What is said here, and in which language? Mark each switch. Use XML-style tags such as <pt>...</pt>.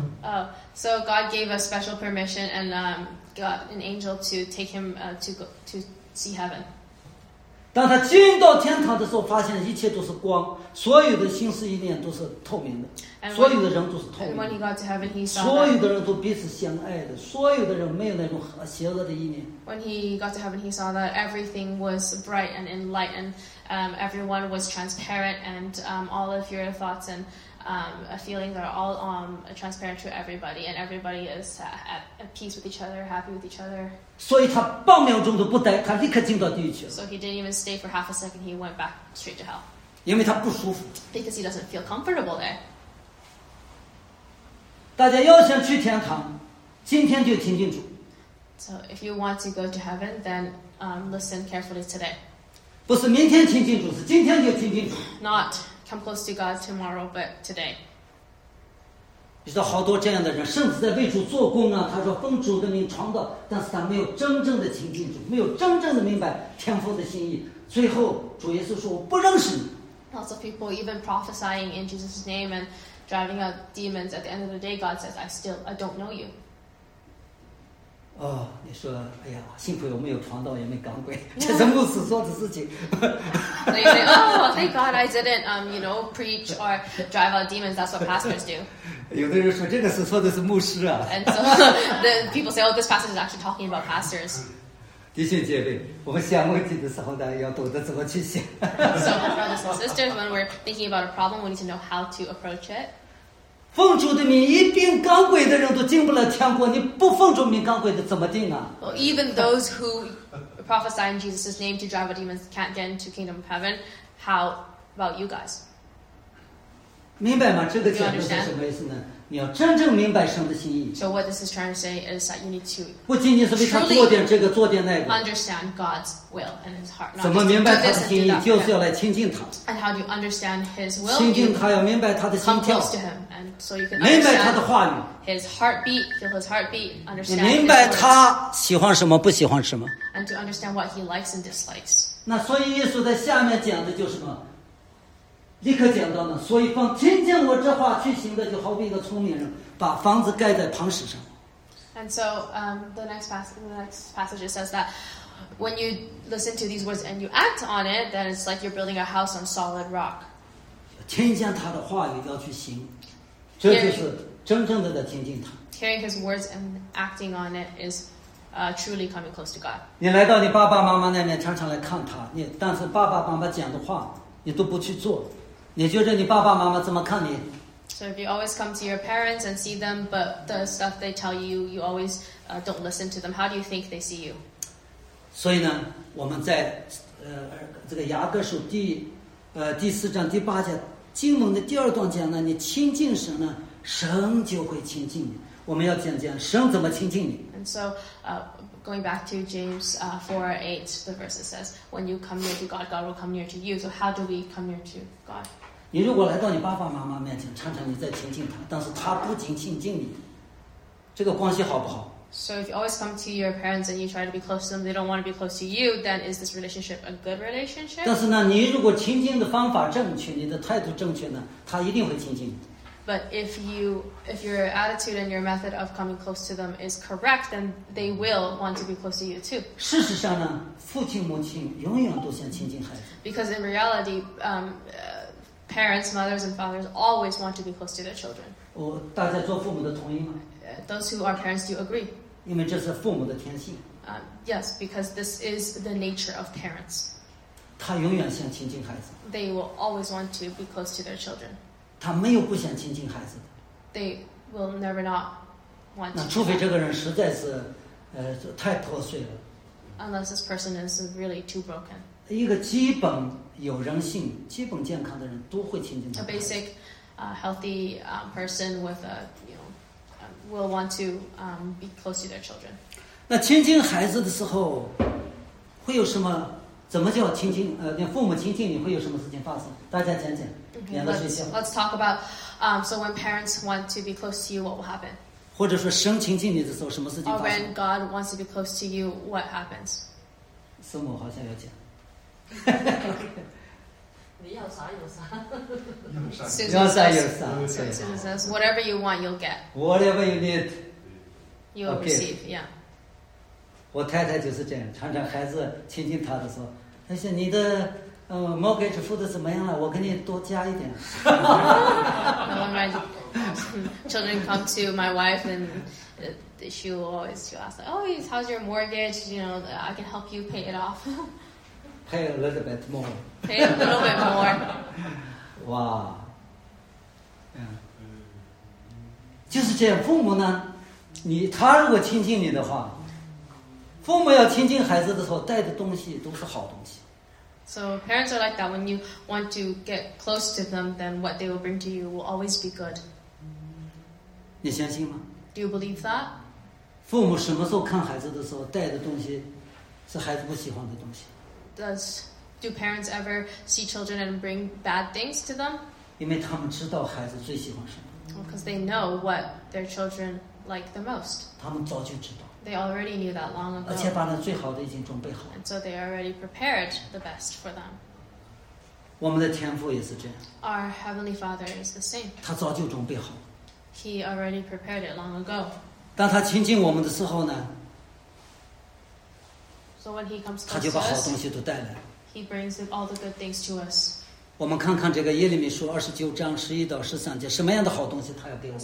<en>Oh, so God gave a special permission and got an angel to take him to see heaven.</en> <zh>当他进到天堂的时候，发现一切都是光，所有的心思意念都是透明的，所有的人都是透明的。</zh> <en>And when he got to heaven, he saw.</en> <zh>所有的人都彼此相爱的，所有的人没有那种邪恶的意念。</zh> <en>When he got to heaven, he saw that everything was bright and enlightened. Everyone was transparent, and all of your thoughts and feelings are all transparent to everybody, and everybody is at peace with each other, happy with each other.</en> <zh>所以他半秒钟都不待，他立刻进到地狱去了。</zh> <en>So he didn't even stay for half a second, he went back straight to hell.</en> <zh>因为他不舒服。</zh> <en>Because he doesn't feel comfortable there.</en> <zh>大家要想去天堂，今天就听清楚。</zh> <en>So if you want to go to heaven, then listen carefully today.</en> <zh>不是明天听清楚，是今天就听清楚。</zh> <en>Not come close to God tomorrow, but today.</en> <zh>你知道好多这样的人，甚至在为主做工啊，他说奉主的名传道，但是他没有真正的亲近主，没有真正的明白天父的心意，最后主耶稣说我不认识你。</zh> <en>Lots of people even prophesying in Jesus' name and driving out demons, at the end of the day God says I don't know you.</en> <zh>哦，你说哎呀，幸亏我没有传道也没赶鬼，这是牧师做的事情。</zh> <en>Thank God I didn't preach or drive out demons, that's what pastors do.</en> <zh>有的人说这个是说的是牧师啊。</zh> <en>And so the people say, oh, this pastor is actually talking about pastors.</en> <zh>弟兄姐妹，我们想问题的时候呢，要懂得怎么去想。</zh> <en>So brothers and sisters, when we're thinking about a problem, we need to know how to approach it.</en> <zh>奉主的名，一定赶鬼的人都进不了天国，你不奉主名赶鬼的怎么定啊？</zh> <en>Well, even those who prophesy in Jesus' name to drive out demons can't get into kingdom of heaven. How about you guys?</en> <zh>明白吗？这个讲的是什么意思呢？你要真正明白神的心意。</zh> <en>So what this is trying to say is that you need to.</en> <zh>不仅仅是为他做点这个做点那个。</zh> <en>Understand God's will and His heart.</en> <zh>怎么明白他的心意？就是要来亲近他。</zh> <en>And how do you understand His will?</en> <zh>亲近他，要明白他的心跳。</zh> <en>Come close to Him, and so you can.</en> <zh>明白他的话语。</zh> <en>His heartbeat, feel His heartbeat, understand.</en> <zh>你明白他喜欢什么，不喜欢什么。</zh> <en>And to understand what He likes and dislikes.</en> <zh>那所以耶稣在下面讲的就是什么？立刻讲到呢，所以奉听见我这话去行的，就好比一个聪明人，把房子盖在磐石上。</zh> <en>And so, the next passage says that when you listen to these words and you act on it, then it's like you're building a house on solid rock.</en> <zh>听见他的话语要去行，这就是真正的在听进他。</zh> <en>Hearing his words and acting on it is truly coming close to God.</en> <zh>你来到你爸爸妈妈那边，常常来看他，你但是爸爸妈妈讲的话，你都不去做。你觉得你爸爸妈妈怎么看你？</zh> <en>So if you always come to your parents and see them, but the stuff they tell you, you always don't listen to them. How do you think they see you?</en> <zh>所以呢，我们在这个雅各书第四章第八节经文的第二段讲呢，你亲近神呢，神就会亲近你。我们要讲讲神怎么亲近你。</zh> <en>And so, going back to James 4:8, the verse that says, when you come near to God, God will come near to you. So how do we come near to God?</en> <zh>你如果来到你爸爸妈妈面前，常常你在亲近他，但是他不仅亲近你，这个关系好不好？</zh> <en>So if you always come to your parents and you try to be close to them, they don't want to be close to you, then is this relationship a good relationship?</en> <zh>但是呢，你如果亲近的方法正确，你的态度正确呢，他一定会亲近你。</zh> <en>But if your attitude and your method of coming close to them is correct, then they will want to be close to you too.</en> <zh>事实上呢，父亲母亲永远都想亲近孩子。</zh> <en>Because in reality, parents, mothers, and fathers always want to be close to their children.</en> <zh>我大家做父母的同意吗？</zh> <en>Those who are parents do agree.</en> <zh>因为这是父母的天性。</zh> <en>Yes, because this is the nature of parents.</en> <zh>他永远想亲近孩子。</zh> <en>They will always want to be close to their children.</en> <zh>他没有不想亲近孩子的。</zh> <en>They will never not want.</en> <zh>那除非这个人实在是，太破碎了。</zh> <en>Unless this person is really too broken.</en> <zh>一个基本有人性、基本健康的人都会亲近他。</zh> <en>A basic, healthy, person with a, will want to, be close to their children.</en> <zh>那亲近孩子的时候，会有什么？怎么叫亲近？你父母亲近你会有什么事情发生？大家讲讲。</zh> <en>Let's talk about, so when parents want to be close to you, what will happen?</en> <zh>或者说神亲近你的时候，什么事情发生？</zh> <en>Or when God wants to be close to you, what happens?</en> <zh>师母好像要讲。你要啥有啥。要啥有啥。要啥有啥。</zh> <en>Susan says, whatever you want, you'll get. Whatever you need, you'll receive, yeah.</en> <zh>我太太就是这样，常常孩子亲近她的时候，她说你的mortgage 付的怎么样了？我给你多加一点。</zh> <en>No, when my children come to my wife and she will always ask, "Oh, how's your mortgage? You know, I can help you pay it off." Pay a little bit more. Pay a little bit more.</en> <zh>哇，就是这样。父母呢，你他如果亲近你的话，父母要亲近孩子的时候带的东西都是好东西。</zh> <en>So parents are like that. When you want to get close to them, then what they will bring to you will always be good.</en> <zh>你相信吗？</zh> <en>Do you believe that?</en> <zh>父母什么时候看孩子的时候带的东西是孩子不喜欢的东西？</zh> <en>Do parents ever see children and bring bad things to them?</en> <zh>因为他们知道孩子最喜欢什么。</zh> <en>Because they know what their children like the most.</en> <zh>他们早就知道。</zh> <en>They already knew that long ago.</en> <zh>而且把那最好的已经准备好。</zh> <en>And so they already prepared the best for them.</en> <zh>我们的天父也是这样。</zh> <en>Our Heavenly Father is the same.</en> <zh>他早就准备好。</zh> <en>He already prepared it long ago.</en> <zh>当他亲近我们的时候呢？</zh> <en>So when he comes close to us,</en> <zh>他就把好东西都带来。</zh> <en>He brings all the good things to us.</en> <zh>我们看看这个耶利米书二十九章十一到十三节，什么样的好东西他要给我们</zh>